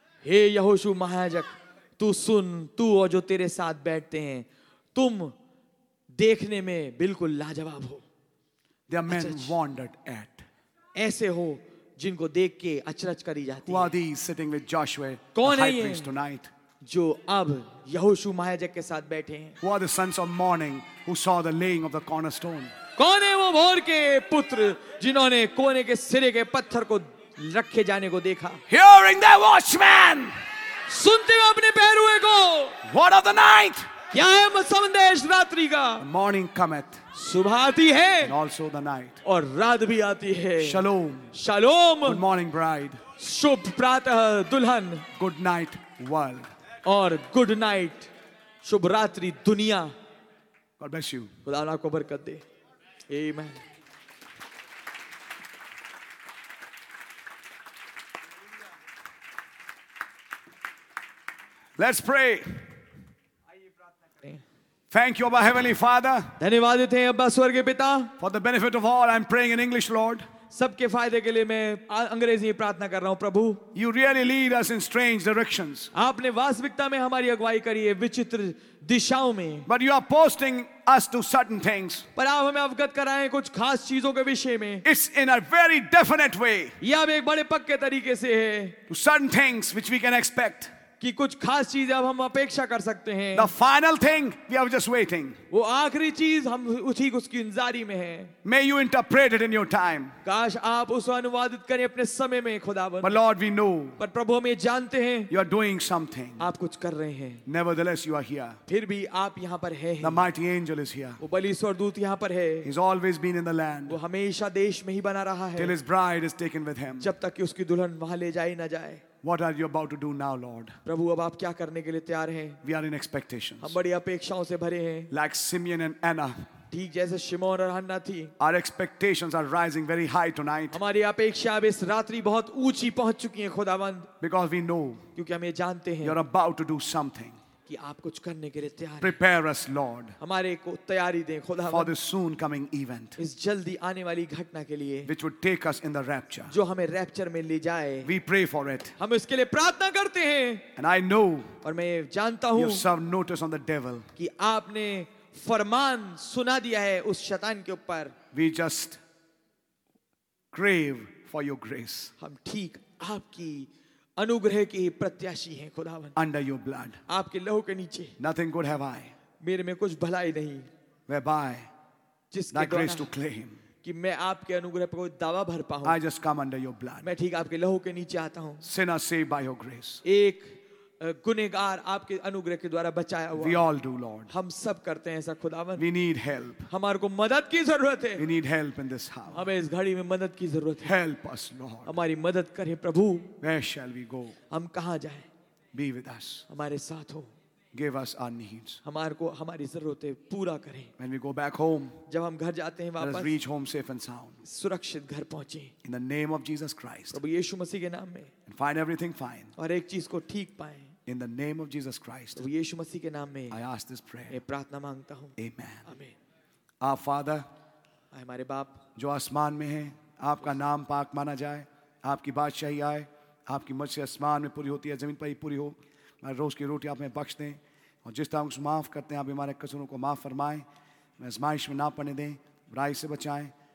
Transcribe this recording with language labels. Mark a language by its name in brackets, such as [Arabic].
[Hindi] हे यहोशु महायाजक, तू सुन, तू और जो तेरे साथ बैठते हैं, तुम देखने में बिल्कुल लाजवाब हो. [English] They are men wandered at. [Hindi] ऐसे हो जिनको देख के अचरज करी जाती है. [English] Who are these sitting with Joshua, [Hindi] कौन [English] the high priest tonight? [Hindi] जो अब यहोशु महायाजक के साथ बैठे हैं. [English] Who are the sons of morning who saw the laying of the cornerstone? [Hindi] कौन है वो भोर के पुत्र जिन्होंने कोने के सिरे के पत्थर को रखे जाने को देखा? [English] Hearing the watchman, [Hindi] सुनते हो अपने पहरुए को? [English] What of the night? [Hindi] क्या है संदेश रात्रि का? [English] Morning cometh. [Hindi] सुबह आती है. [English] And also the night. [Hindi] और रात भी आती है. [Hebrew] Shalom. Shalom. [English] Good morning, bride. [Hindi] शुभ प्रातः दुल्हन. [English] Good night, world. [Hindi] और [English] good night, [Hindi] शुभ रात्रि दुनिया. [English] God bless you. [Hindi] खुदा आपको बरकत दे. Amen. [English] Let's pray. Thank you, Abba Heavenly Father. [Hindi] धन्यवाद देते हैं अब्बा स्वर्ग के पिता. [English] For the benefit of all, I'm praying in English, Lord. [Hindi] सबके फायदे के लिए मैं अंग्रेजी में प्रार्थना कर रहा हूँ प्रभु. [English] You really lead us in strange directions. [Hindi] आपने वास्तविकता में हमारी अगुवाई करी है विचित्र दिशाओं में. [English] But you are posting us to certain things. [Hindi] पर आप हमें अवगत कराएं कुछ खास चीजों के विषय में. [English] It's in a very definite way. [Hindi] यह अब एक बड़े पक्के तरीके से है. [English] To certain things which we can expect. [Hindi] कि कुछ खास चीजें अब हम अपेक्षा कर सकते हैं. [English] The final thing, we are just waiting. [Hindi] वो आखिरी चीज हम उठी उसकी इंतजारी में हैं. [English] May you interpret it in your time. [Hindi] काश आप उसे अनुवादित करें अपने समय में खुदावन. [English] But Lord, we know. [Hindi] पर प्रभु हम ये जानते हैं. [English] You are doing something. [Hindi] आप कुछ कर रहे हैं. [English] Nevertheless, you are here. [Hindi] फिर भी आप यहाँ पर हैं. [English] The mighty angel is here. [Hindi] वो बलि स्वर्दूत यहाँ पर है. [English] He's always been in the land. [Hindi] वो हमेशा देश में ही बना रहा है. [English] Till his bride is taken with him. [Hindi] जब तक कि उसकी दुल्हन वहां ले जाए ना जाए. [English] What are you about to do now, Lord? [Hindi] प्रभु अब आप क्या करने के लिए तैयार हैं? [English] We are in expectations. [Hindi] हम बड़ी अपेक्षाओं से भरे हैं. [English] Like Simeon and Anna. [Hindi] ठीक जैसे शिमोन और हन्ना थी. [English] Our expectations are rising very high tonight. [Hindi] हमारी अपेक्षा अब इस रात्रि बहुत ऊंची पहुंच चुकी है खुदावंद. [English] Because we know. [Hindi] क्योंकि हम ये जानते हैं. [English] You are about to do something. [Hindi] कि आप कुछ करने के लिए तैयार हैं। [English] Prepare us, Lord, [Hindi] हमारे को तैयारी दें, खुदा, [English] for the soon coming event, [Hindi] इस जल्दी आने वाली घटना के लिए, [English] which would take us in the rapture, [Hindi] जो हमें रैप्चर में ले जाए। [English] We pray for it, [Hindi] हम इसके लिए प्रार्थना करते हैं। [English] And I know, [Hindi] और मैं जानता हूँ, [English] you have notice on the devil, [Hindi] कि आपने फरमान सुना दिया है उस शैतान के ऊपर। [English] We just crave for your grace, [Hindi] हम ठीक आपकी अनुग्रह की प्रत्याशी हैं, खुदावन। [English] Under your blood, [Hindi] आपके लहू के नीचे। [English] Nothing good have I, [Hindi] मेरे में कुछ भलाई नहीं। [English] Whereby, [Hindi] जिसके [English] that grace to claim, [Hindi] कि मैं आपके अनुग्रह पर कोई दावा भर पाऊं। [English] I just come under your blood, [Hindi] मैं ठीक आपके लहू के नीचे आता हूं। [English] Sinner saved by your grace, [Hindi] एक गुनेगार आपके अनुग्रह के द्वारा बचाया हुआ। [English] We all do, Lord, [Hindi] हम सब करते हैं ऐसा, खुदावन। [English] We need help, [Hindi] हमारे को मदद की जरूरत है। [English] We need help in this hour, [Hindi] हमें इस घड़ी में मदद की जरूरत है। [English] Help us, Lord, [Hindi] हमारी मदद करें प्रभु। [English] Where shall we go, [Hindi] हम कहां जाएं। [English] Be with us, [Hindi] हमारे साथ हो। [English] Give us our needs, [Hindi] हमारे को हमारी जरूरतें पूरा करें। [English] When we go back home, [Hindi] जब हम घर जाते हैं वापस, [English] let us reach home safe and sound, [Hindi] सुरक्षित घर पहुंचे। [English] In the name of Jesus Christ, [Hindi] प्रभु यीशु मसीह के नाम में, [English] and find everything fine, [Hindi] और एक चीज को ठीक पाए। [English] In the name of Jesus Christ, [Hindi] तो यीशु मसीह के नाम में, [English] I ask this prayer, [Hindi] मैं प्रार्थना मांगता हूं। [English] Amen. Amen. Our Father, [Hindi] हमारे बाप, जो आसमान में हैं, आपका नाम पाक माना जाए, आपकी बादशाही आए, आपकी मर्जी आसमान में पूरी होती है, जमीन पर ही पूरी हो। मैं रोज की रोटी आप में बख्श दें, और जिस तरह उसे माफ़ करते हैं, आप हमारे कसूरों को माफ़ फरमाएं, मैं आजमाइश में ना पड़ने दें, बुराई से बचाएं।